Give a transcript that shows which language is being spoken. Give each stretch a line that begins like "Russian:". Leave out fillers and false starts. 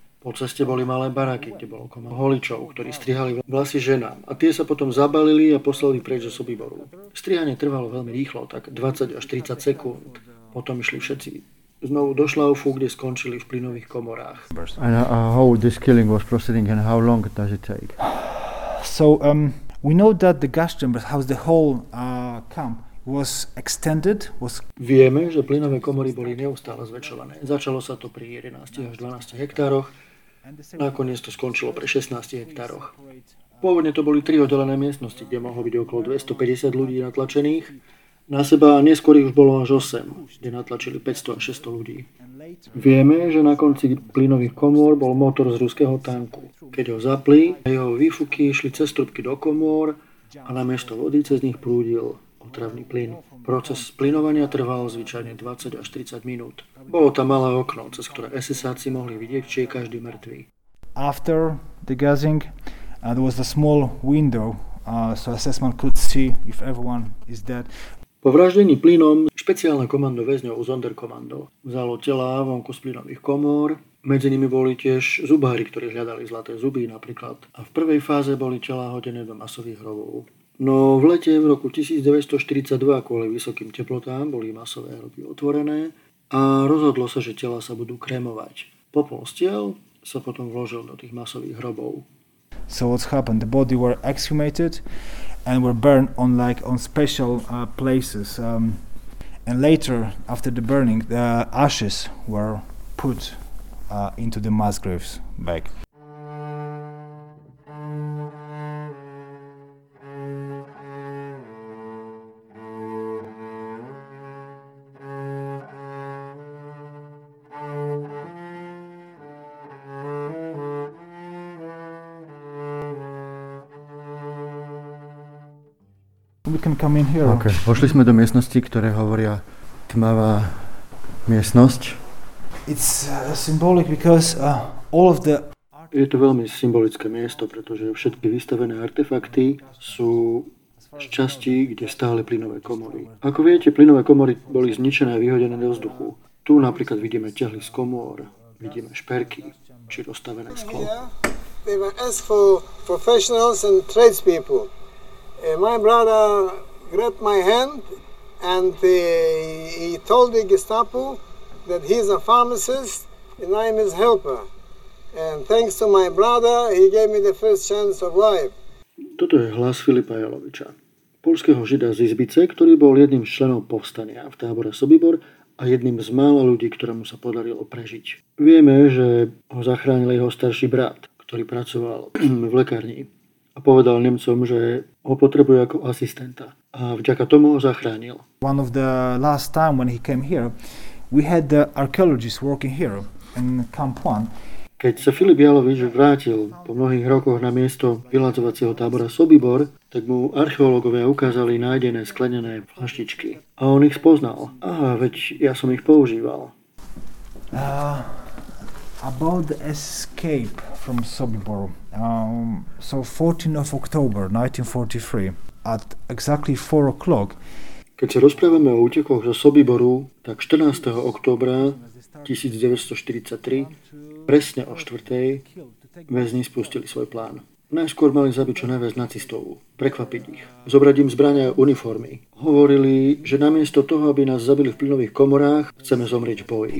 Slovak: Po ceste boli malé baráky, kde bolo komo holičov, ktorí strihali vlasy ženám. A tie sa potom zabalili a poslali preč zo Sobiboru. Strihanie trvalo veľmi rýchlo, tak 20 až 30 sekúnd. Potom išli všetci znovu do Schlaufu, kde skončili v plynových komorách.
English: And how this killing was proceeding and how long does it take? So, we know that the gas chambers, how the whole camp was extended, was...
Slovak: Vieme, že plynové komory boli neustále zväčšované. Začalo sa to pri 11 až 12 hektároch, nakoniec to skončilo pri 16 hektároch. Pôvodne to boli tri oddelené miestnosti, kde mohlo byť okolo 250 ľudí natlačených. Na seba neskôr už bolo až 8, kde natlačili 500 až 600 ľudí. Vieme, že na konci plynových komôr bol motor z ruského tanku. Keď ho zapli, jeho výfuky išli cez trubky do komôr a namiesto vody cez nich prúdil otravný plyn. Proces plynovania trval zvyčajne 20 až 30 minút. Bolo tam malé okno, cez ktoré SS-áci mohli vidieť, či je každý mŕtvý.
English: After the gassing, there was a small window, so SS-man could see if everyone is dead.
Slovak: Po vraždení plynom špeciálne komando väzňov Sonderkommando vzalo tela vonku z plynových komôr. Medzi nimi boli tiež zubári, ktorí hľadali zlaté zuby napríklad. A v prvej fáze boli tela hodené do masových hrobov. No v lete v roku 1942 kvôli vysokým teplotám boli masové hroby otvorené a rozhodlo sa, že tela sa budú kremovať. Popol z tiel sa potom vložil do tých masových hrobov.
English: So what's happened? The body were exhumated and were burned on like on special places. And later after the burning the ashes were put into the mass graves back. Okay.
Slovak: Pošli sme do miestnosti, ktoré hovoria tmavá miestnosť.
English: It's symbolic because all of the...
Slovak: Je to veľmi symbolické miesto, pretože všetky vystavené artefakty sú z časti, kde stále plynové komory. Ako viete, plynové komory boli zničené a vyhodené do vzduchu. Tu napríklad vidíme tehly z komor, vidíme šperky či rozstavené sklo.
English: They were asked for professionals and tradespeople. My brother grabbed my hand and he told the Gestapo that he is a pharmacist and I am his helper. And thanks to my brother, he gave me the first chance of life.
Slovak: Toto je hlas Filipa Jaloviča, poľského žida z Izbice, ktorý bol jedným z členov povstania v tábore Sobibor a jedným z mála ľudí, ktorému sa podarilo prežiť. Vieme, že ho zachránil jeho starší brat, ktorý pracoval v lekárni. a povedal Nemcom, že ho potrebuje ako asistenta. A vďaka tomu ho zachránil.
English: One of the last time when he came here, we had the archaeologists working here in Camp One.
Slovak: Keď sa Filip Jalovič vrátil po mnohých rokoch na miesto vyhľadzovacieho tábora Sobibor, tak mu archeológovia ukázali nájdené sklenené fľaštičky. A on ich spoznal. Aha, veď ja som ich používal.
English: About the escape from Sobibor. So 14th of October 1943, at exactly 4 o'clock.
Slovak: Keď sa rozprávame o útekoch zo Sobiboru, tak 14. októbra 1943, presne o 4. väzni spustili svoj plán. Najskôr mali zabiť čo najviac nacistov, prekvapiť ich. Zobrať im zbrane a uniformy. Hovorili, že namiesto toho, aby nás zabili v plynových komorách, chceme zomrieť v boji.